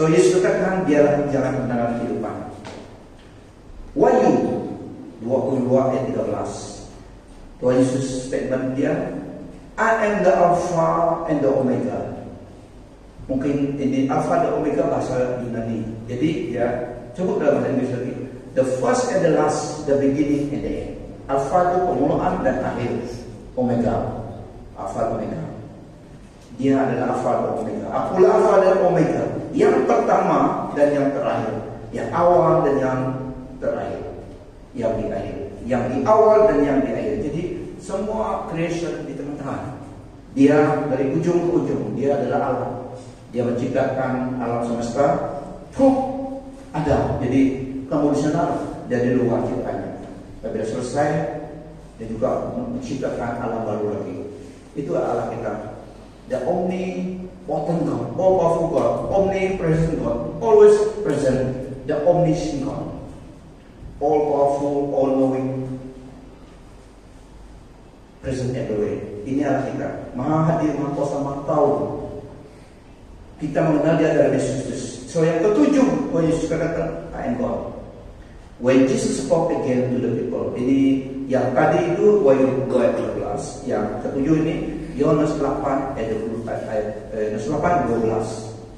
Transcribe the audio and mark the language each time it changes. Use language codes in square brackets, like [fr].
[ms] So Yesus katakan dialah jalan kebenaran kehidupan. Wahyu 22 ayat 13. [en] Tuhan Yesus statement dia, I am the Alpha and the Omega. [ms] Mungkin ini Alpha dan Omega bahasa Yunani. Jadi ya, cukup dalam bahasa Inggris lagi. [en] The first and the last, the beginning and the end. [ms] Alpha itu permulaan dan akhir. Omega. Alpha dan Omega. Dia adalah Alpha dan Omega. Akulah Alpha dan Omega. Yang pertama dan yang terakhir. Yang awal dan yang terakhir. Yang di akhir. Yang di awal dan yang di akhir. Jadi semua creation di tengah-tengah. Dia dari ujung ke ujung. Dia adalah Allah. Dia menciptakan alam semesta. Fuh, ada. Jadi kamu di sana dan di luar ciptanya. Tapi sudah selesai. Dia juga menciptakan alam baru lagi. Itu Allah kita. [en] The omnipotent God, all powerful God, omnipresent God, always present. The omniscient God, all powerful, all knowing, present everywhere. [ms] Ini Allah kita. Maha hadir, maha kuasa, maha tahu. Kita mengenal dia dari Yesus. [en] So [ms] yang ketujuh, Tuhan Yesus katakan, [en] I am God. When Jesus spoke again to the people. [ms] Ini yang tadi itu, Wahyu 12. Yang ketujuh ini, Yohanes 8, ayat 12.